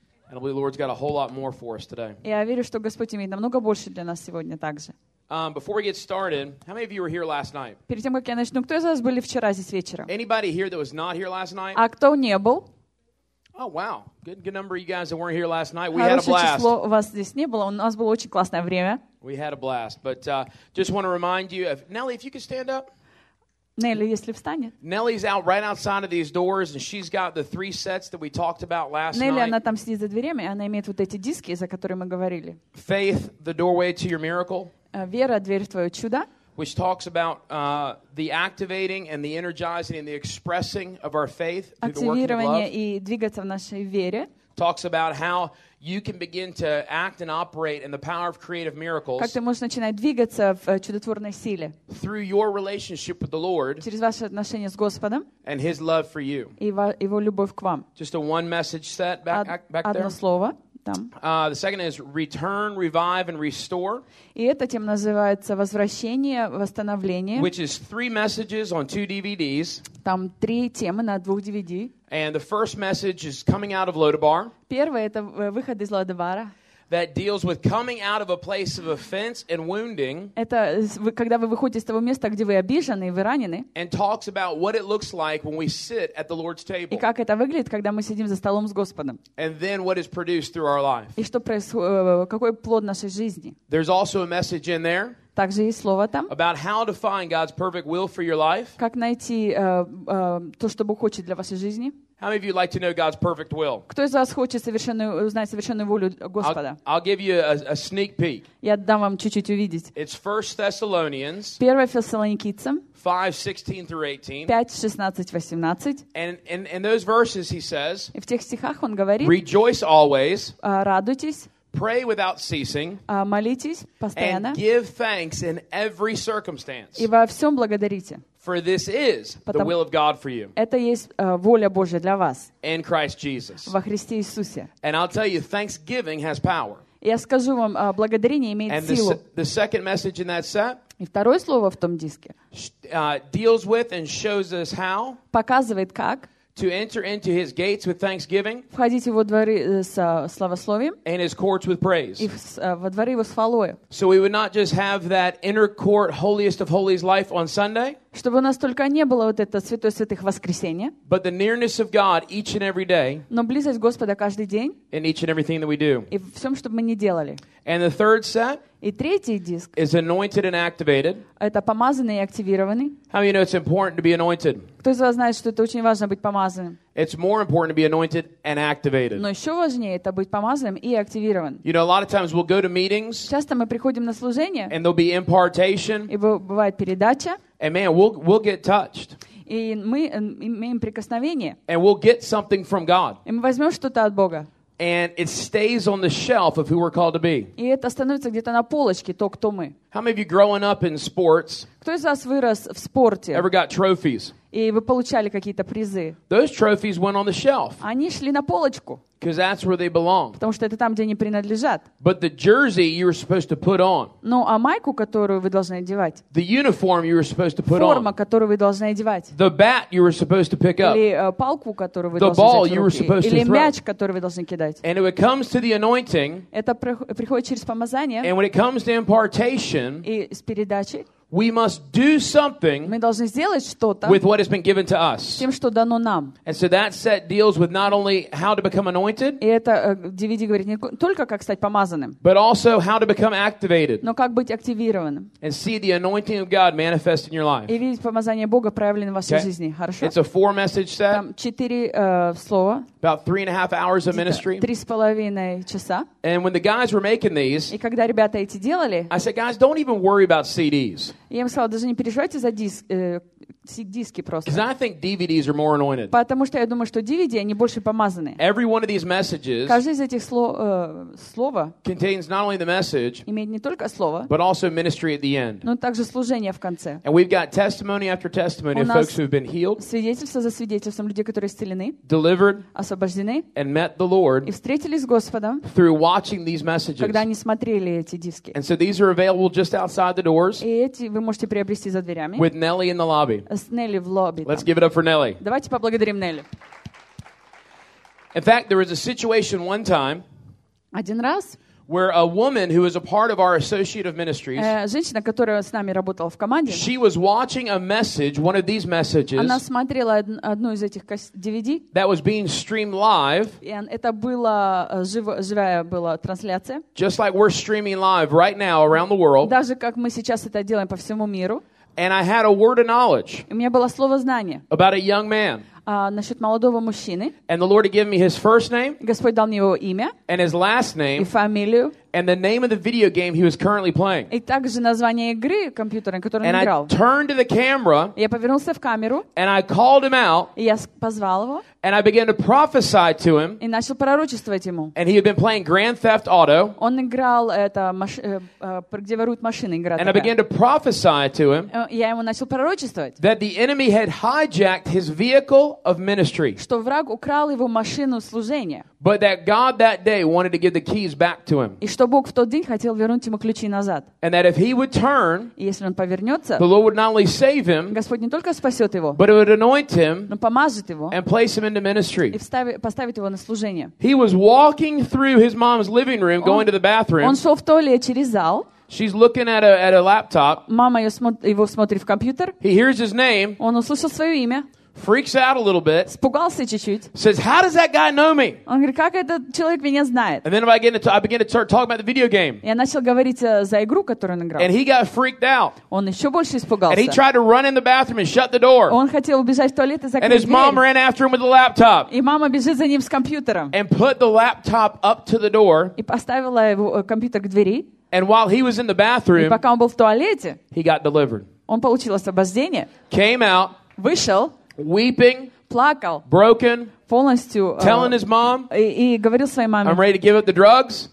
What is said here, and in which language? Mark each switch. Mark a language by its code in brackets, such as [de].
[en] And I believe the Lord's got a whole lot more for us today. [ru] Я верю, что Господь имеет намного больше для нас сегодня также. [en] Before we get started, how many of you were here last night? [ru] Перед тем, как я начну, кто из вас были вчера здесь вечером? [en] Anybody here that was not here last night? [ru] А кто не был? [en] Oh, wow. Good number of you guys that weren't here last night. [ru] Хорошее число вас здесь не было. У нас было очень классное время. [en] We had a blast. But just want to remind you, Nelly, if you could stand up. [ru] Нелли, если встанет. [en] Nelly's out right outside of these doors, and she's got the three sets that we talked about last night. [ru] Нелли, она там сидит за дверями, и она имеет вот эти диски, за которые мы говорили. [en] Faith, the doorway to your miracle. [ru] Вера, дверь в твое чудо. [en] Which talks about the activating and the energizing and the expressing of our faith through the working of love. [ru] Активирование и двигаться в нашей вере. [en] Talks about how you can begin to act and operate in the power of creative miracles. [ru] Как ты можешь начинать двигаться в чудотворной силе. [en] Through your relationship with the Lord. [ru] Через ваши отношения с Господом. [en] And His love for you. [ru] И его любовь к вам. [en] Just a one message set back [ru] одно [en] there. [ru] Одно слово. [en] The second is return, revive, and restore. [ru] И это тем называется возвращение, восстановление. [en] Which is three messages on two DVDs. [ru] Там три темы на двух DVD. [en] And the first message is coming out of Lodabar. [ru] Первое это выход из Лодебара. [en] That deals with coming out of a place of offense and wounding. [ru] Это когда вы выходите из того места, где вы обижены и вы ранены. [en] And talks about what it looks like when we sit at the Lord's table. [ru] И как это выглядит, когда мы сидим за столом с Господом. [en] And then what is produced through our life. [ru] И что происходит, какой плод нашей жизни. [en] There's also a message in there. [ru] Также есть слово там. [en] About how to find God's perfect will for your life. [ru] Как найти то, что Бог хочет для вашей жизни. [en] How many of you would like to know God's perfect will? [ru] Кто из вас хочет узнать совершенную волю Господа? [en] I'll give you a sneak peek. [ru] Я дам вам чуть-чуть увидеть. [en] It's 1 Thessalonians. [ru] 1 Фессалоникийцам. [en] 5:16-18. And those verses he says. [ru] И в тех стихах он говорит. [en] Rejoice always. [ru] Радуйтесь. [en] Pray without ceasing. [ru] Молитесь постоянно. [en] And give thanks in every circumstance. [ru] И во всем благодарите. [en] For this is the will of God for you. [ru] Это есть воля Божья для вас. [en] In Christ Jesus. [ru] Во Христе Иисусе. [en] And I'll tell you, thanksgiving has power. [ru] Я скажу вам, благодарение имеет силу. [en] And the second message in that set. [ru] И второе слово в том диске. [en] Deals with and shows us how. [ru] Показывает как. [en] To enter into his gates with thanksgiving. [ru] Входить его дворы с славословием. [en] And his courts with praise. [ru] И во дворы его с хвалой. [en] So we would not just have that inner court, holiest of holies life on Sunday. [ru] Чтобы у нас только не было вот это святой святых воскресенье. [en] But the nearness of God each and every day. [ru] Но близость Господа каждый день. [en] In each and everything that we do. [ru] И в всем, что бы мы ни делали. [en] And the third set. [ru] И третий диск. [en] Is anointed and activated. [ru] Это помазанный и активированный. [en] How many of you know it's important to be anointed? [ru] Кто из вас знает, что это очень важно быть помазанным? [en] It's more important to be anointed and activated. [ru] Но еще важнее это быть помазанным и активированным. [en] You know, a lot of times we'll go to meetings. [ru] Часто мы приходим на служение. [en] And there'll be impartation. [ru] И бывает передача. [en] And man, we'll get touched. [ru] И мы имеем прикосновение. [en] And we'll get something from God. [ru] И мы возьмем что-то от Бога. [en] And it stays on the shelf of who we're called to be. [ru] И это становится где-то на полочке, то, кто мы. [en] How many of you growing up in sports? [ru] Кто из вас вырос в спорте? [en] Ever got trophies? [ru] И вы получали какие-то призы. [en] Those trophies went on the shelf. [ru] Они шли на полочку. [en] Because that's where they belong. [ru] Потому что это там, где они принадлежат. [en] But the jersey you were supposed to put on. [ru] Ну, а майку, которую вы должны одевать. [en] The uniform you were supposed to put on. [ru] Форма, которую вы должны одевать. [en] The bat you were supposed to pick up. [ru] Или палку, которую вы [en] the [ru] должны [en] ball [ru] взять в руки. [en] You were supposed [ru] или [en] to throw. [ru] Мяч, который вы должны кидать. [en] And when it comes to the anointing. [ru] Это приходит через помазание. [en] And when it comes to impartation. [ru] И с передачей. [en] We must do something with what has been given to us. [ru] Тем, что дано нам. [en] And so that set deals with not only how to become anointed, [ru] и это, DVD говорит, не только как стать помазанным, [en] but also how to become activated. [ru] Но как быть активированным. [en] And see the anointing of God manifest in your life. [ru] И видеть помазание Бога проявленным в вашей жизни. Хорошо. [en] It's a four message set. [ru] Там четыре слова. [en] About 3.5 hours of ministry. [ru] Три с половиной часа. [en] And when the guys were making these, [ru] и когда ребята эти делали, [en] I said, guys, don't even worry about CDs. [ru] Я им сказал, даже не переживайте за диск, диски просто. [en] Because I think DVDs are more anointed. [ru] Потому что я думаю, что DVD, они больше помазаны. [en] Every one of these messages [ru] каждый из этих слова [en] contains not only the message, [ru] имеет не только слово, [en] but also ministry at the end. [ru] Но также служение в конце. [en] And we've got testimony after testimony of folks who've been healed, [ru] свидетельство за свидетельством людей, которые исцелены, [en] delivered, [ru] освобождены, [en] and met the Lord [ru] и встретились с Господом [en] through watching these messages. [ru] Когда они смотрели эти диски. [en] And so these are available just outside the doors. [ru] И эти вы можете приобрести за дверями. [en] With Nelly in the lobby. [ru] С Нелли в лобби. [en] Let's give it up for Nelly. [ru] Давайте поблагодарим Нелли. [en] In fact, there was a situation one time. [ru] Один раз. [en] Where a woman who is a part of our associate of ministries. [ru] Женщина, которая с нами работала в команде. [en] She was watching a message, one of these messages. [ru] Она смотрела одну из этих DVD. [en] That was being streamed live. And [ru] это была живая была трансляция. [en] Just like we're streaming live right now around the world. [ru] Даже как мы сейчас это делаем по всему миру. [en] And I had a word of knowledge. [ru] У меня было слово знания. [en] About a young man. [ru] Насчет молодого мужчины. [en] And the Lord had given me his first name. [ru] Господь дал мне его имя. [en] And his last name. [ru] И фамилию. [en] And the name of the video game he was currently playing. [ru] И также название игры компьютерной, которую он играл. [en] And I turned to the camera. [ru] Я повернулся в камеру. [en] And I called him out. [ru] И я позвал его. [en] And I began to prophesy to him. [ru] И начал пророчествовать ему. [en] And he had been playing Grand Theft Auto. [ru] Он играл это где воруют машины игра. [en] And I began to prophesy to him. [ru] Я ему начал пророчествовать. [en] That the enemy had hijacked his vehicle of ministry. [ru] Что враг украл его машину служения. [en] But that God that day wanted to give the keys back to him. [ru] И что Бог в тот день хотел вернуть ему ключи назад. [en] And that if he would turn, [ru] если он повернется, [en] the Lord would not only save him, [ru] Господь не только спасет его, [en] but it would anoint him, [ru] но помазать его, [en] and place him into ministry. [ru] И поставить его на служение. [en] He was walking through his mom's living room, going to the bathroom. [ru] Он шел в туалет через зал. [en] She's looking at a laptop. [ru] Мама его смотрит в компьютер. [en] He hears his name. [ru] Он услышал свое имя. [en] Freaks out a little bit. [ru] Спугался чуть-чуть. [en] Says, "How does that guy know me?" [ru] Он говорит, как этот человек меня знает? [en] And then I began to start talking about the video game. [ru] Я начал говорить за игру, которую он играл. [en] And he got freaked out. [ru] Он еще больше испугался. [en] And he tried to run in the bathroom and shut the door. [ru] Он хотел убежать в туалет и закрыть дверь. [en] And his mom ran after him with the laptop. [ru] И мама бежит за ним с компьютером. [en] And put the laptop up to the door. [ru] И поставила его компьютер к двери. [en] And while he was in the bathroom, [ru] и пока он был в туалете, [en] he got delivered. [ru] Он получил освобождение. [en] Came out. [ru] Вышел. [en] Weeping, [ru] плакал, [en] broken, [ru] полностью, [en] telling his mom, [ru] и говорил своей маме, [en] I'm ready to give up the drugs,